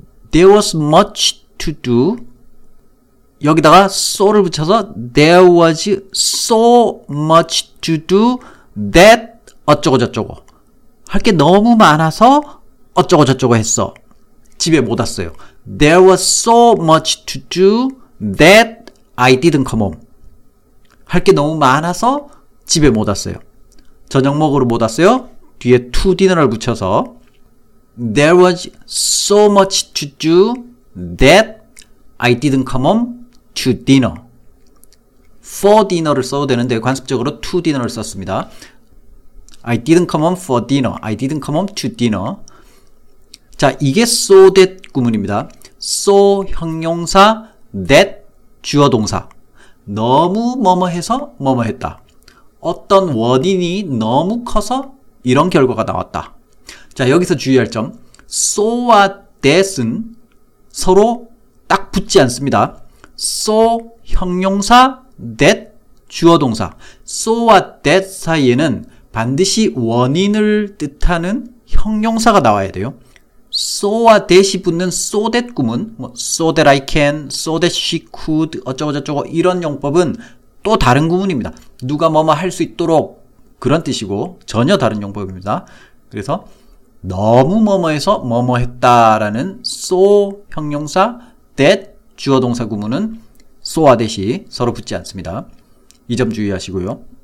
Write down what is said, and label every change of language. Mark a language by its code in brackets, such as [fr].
[en] There was much to do. [ko] 여기다가 so를 붙여서 [en] there was so much to do that [ko] 어쩌고 저쩌고 할 게 너무 많아서 어쩌고 저쩌고 했어. 집에 못 왔어요. [en] There was so much to do that I didn't come home. [ko] 할 게 너무 많아서 집에 못 왔어요. 저녁 먹으러 못 왔어요. 뒤에 [en] to dinner을 [ko] 붙여서 [en] There was so much to do that I didn't come home to dinner. [ko] For dinner를 써도 되는데 관습적으로 to dinner을 썼습니다. [en] I didn't come home for dinner. I didn't come home to dinner. [ko] 자, 이게 so that 구문입니다. so 형용사, that 주어 동사. 너무 뭐뭐해서 뭐뭐했다. 어떤 원인이 너무 커서 이런 결과가 나왔다. 자, 여기서 주의할 점. so와 that은 서로 딱 붙지 않습니다. so 형용사, that 주어 동사. so와 that 사이에는 반드시 원인을 뜻하는 형용사가 나와야 돼요. so와 that이 붙는 so that 구문, so that I can, so that she could, 어쩌고저쩌고 이런 용법은 또 다른 구문입니다. 누가 뭐뭐 할 수 있도록 그런 뜻이고 전혀 다른 용법입니다. 그래서 너무 뭐뭐해서 뭐뭐했다라는 so 형용사, that 주어동사 구문은 so와 that이 서로 붙지 않습니다. 이 점 주의하시고요.